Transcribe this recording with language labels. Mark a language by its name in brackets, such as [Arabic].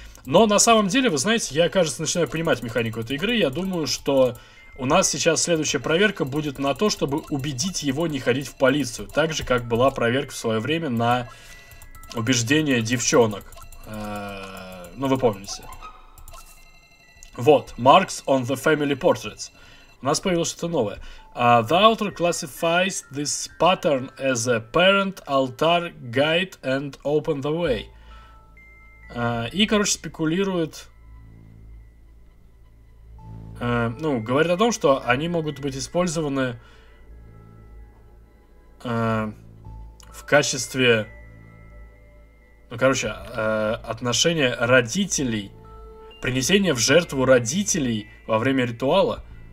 [Russian] Но на самом деле, вы знаете, я, кажется, начинаю понимать механику этой игры. Я думаю, что у нас сейчас следующая проверка будет на то, чтобы убедить его не ходить в полицию. Так же, как была проверка в свое время на убеждение девчонок. Ну, вы помните. Вот, Marks on the Family Portraits. У нас появилось что-то новое. [English] The author classifies this pattern as a parent altar guide and open the way. [Russian] И, короче, спекулирует... ну, говорит о том, что они могут быть использованы... в качестве... Ну, короче, отношение родителей, принесение в жертву родителей во время ритуала.